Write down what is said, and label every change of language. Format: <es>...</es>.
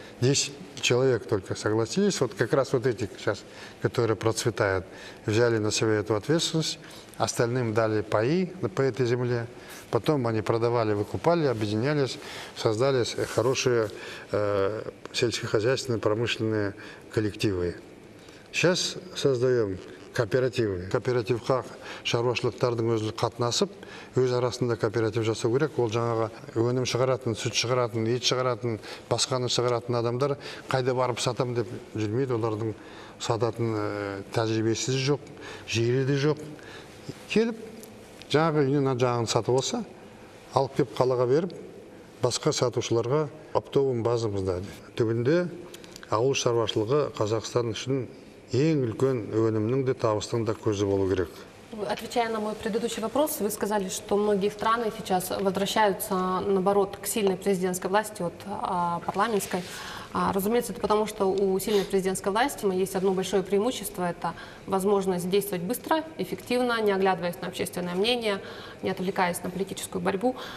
<ru>10 человек только согласились, вот как раз вот эти сейчас, которые процветают, взяли на себя эту ответственность, остальным дали паи по этой земле. Потом они продавали, выкупали, объединялись, создали хорошие сельскохозяйственные, промышленные коллективы. Сейчас создаем кооперативы.</ru> <kk>Кооператив как шаруашлык тардың өзі қатынасып, өз арасында кооператив жасау керек. Ол жаңаға өнім шығаратын, сүт шығаратын, ет шығаратын, басқаны шығаратын адамдар қайда барып сатам деп жүрмейді. Олардың сататын тәжірибесі жоқ, жері де жоқ. Келіп, жаңағы үйінен жаңын сатып алса, алып кеп қалаға беріп, басқа сатушыларға оптовым базамызда. Түбінде ауыл шаруашылығы Қазақстан үшін ең үлкен өнімнің де табыстың да көзі болу керек.</kk> <ru>Отвечая на мой предыдущий вопрос, вы сказали, что многие страны сейчас возвращаются, наоборот, к сильной президентской власти, вот парламентской. Разумеется, это потому, что у сильной президентской власти есть одно большое преимущество – это возможность действовать быстро, эффективно, не оглядываясь на общественное мнение, не отвлекаясь на политическую борьбу.</ru>